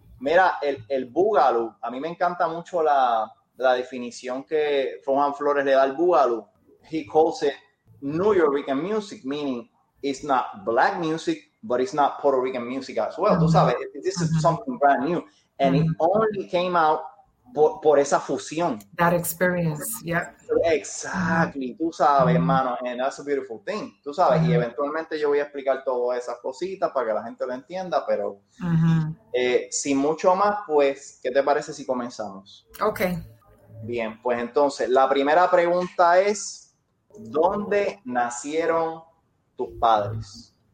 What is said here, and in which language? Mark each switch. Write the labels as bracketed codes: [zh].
[es] Mira, el Boogaloo, a mí me encanta mucho la definición que Juan Flores le da al Boogaloo. [en] He calls it New Yorkian music, meaning it's not black music, but it's not Puerto Rican music as well. [es] Tú sabes, [en] this is something brand new. And it only came out [es] por esa fusión. [en] That experience, yeah. Exactly, [es] tú sabes, hermano, [en] and that's a beautiful thing. [es] Tú sabes, y eventualmente yo voy a explicar todas esas cositas para que la gente lo entienda, pero sin mucho más, pues, ¿qué te parece si comenzamos? [en] Ok. [es] Bien, pues entonces, la primera pregunta es, ¿dónde nacieron tus padres?